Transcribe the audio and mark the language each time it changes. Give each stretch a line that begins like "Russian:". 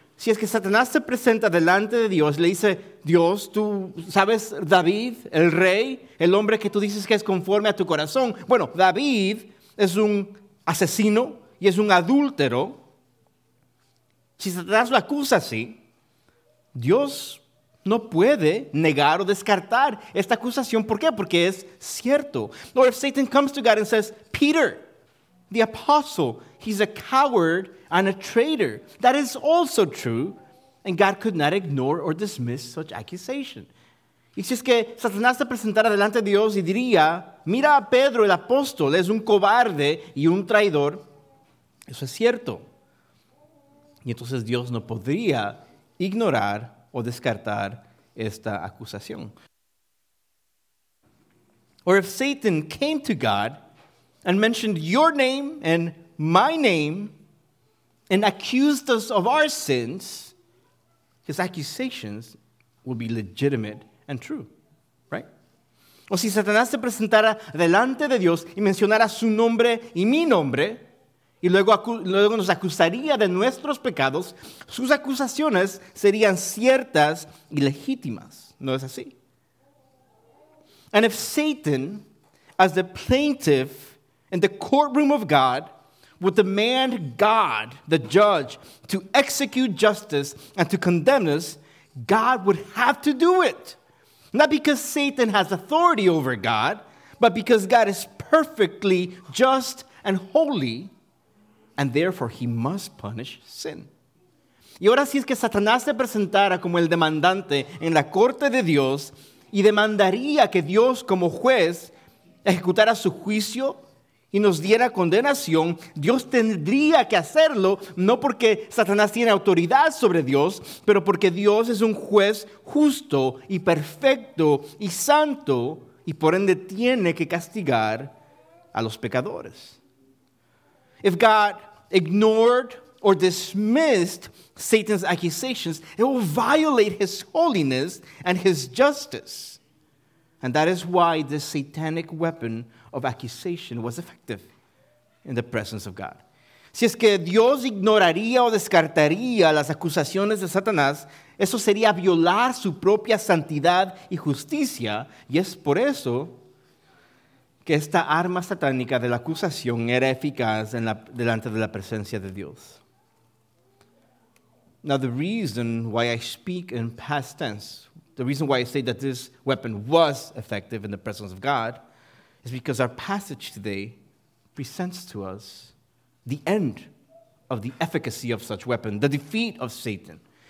Spanish: Si es que Satanás se presenta delante de Dios, le dice, Dios, tú sabes David, el rey, el hombre que tú dices que es conforme a tu corazón. Bueno, David es un asesino y es un adúltero. Si Satanás lo acusa así, Dios no puede negar o descartar esta acusación. ¿Por qué? Porque es cierto.
English: Or if Satan comes to God and says, Peter, the apostle, he's a coward and a traitor. That is also true. And God could not ignore or dismiss such accusation.
Spanish: Y si es que Satanás se presentara delante de Dios y diría, mira a Pedro, el apóstol, es un cobarde y un traidor. Eso es cierto. Y entonces Dios no podría ignorar o descartar esta acusación.
English: Or if Satan came to God and mentioned your name and my name and accused us of our sins, his accusations would be legitimate and true, right?
Spanish: O si Satanás se presentara delante de Dios y mencionara su nombre y mi nombre, y luego nos acusaría de nuestros pecados, sus acusaciones serían ciertas y legítimas. ¿No es así?
English: And if Satan, as the plaintiff in the courtroom of God, would demand God, the judge, to execute justice and to condemn us, God would have to do it. Not because Satan has authority over God, but because God is perfectly just and holy, and therefore he must punish sin.
Spanish: Y ahora si es que Satanás se presentara como el demandante en la corte de Dios y demandaría que Dios como juez ejecutara su juicio y nos diera condenación, Dios tendría que hacerlo no porque Satanás tiene autoridad sobre Dios, pero porque Dios es un juez justo y perfecto y santo y por ende tiene que castigar a los pecadores.
English: If God ignored or dismissed Satan's accusations, it will violate his holiness and his justice. And that is why this satanic weapon of accusation was effective in the presence of God.
Spanish: Si es que Dios ignoraría o descartaría las acusaciones de Satanás, eso sería violar su propia santidad y justicia. Y es por eso que esta arma satánica de la acusación era eficaz delante de la presencia de Dios.
English: Now the reason why I speak in past tense, the reason why I say that this weapon was effective in the presence of God, is because our passage today presents to us the end of the efficacy of such weapon, the defeat of Satan.